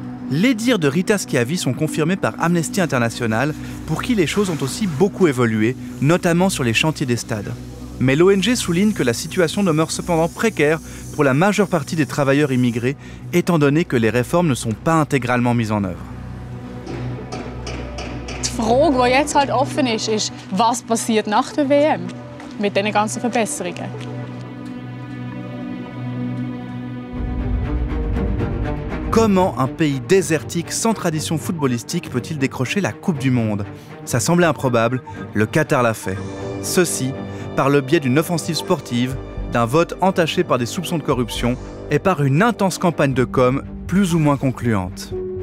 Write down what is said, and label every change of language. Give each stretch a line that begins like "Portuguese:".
French: Les dires de Rita Schiavi sont confirmés par Amnesty International, pour qui les choses ont aussi beaucoup évolué, notamment sur les chantiers des stades. Mais l'ONG souligne que la situation demeure cependant précaire pour la majeure partie des travailleurs immigrés, étant donné que les réformes ne sont pas intégralement mises en œuvre.
German: Die Frage, die jetzt halt offen ist, ist, was passiert nach der WM mit den ganzen Verbesserungen?
French: Comment un pays désertique sans tradition footballistique peut-il décrocher la Coupe du Monde? Ça semblait improbable, le Qatar l'a fait. Ceci par le biais d'une offensive sportive, d'un vote entaché par des soupçons de corruption et par une intense campagne de com' plus ou moins concluante.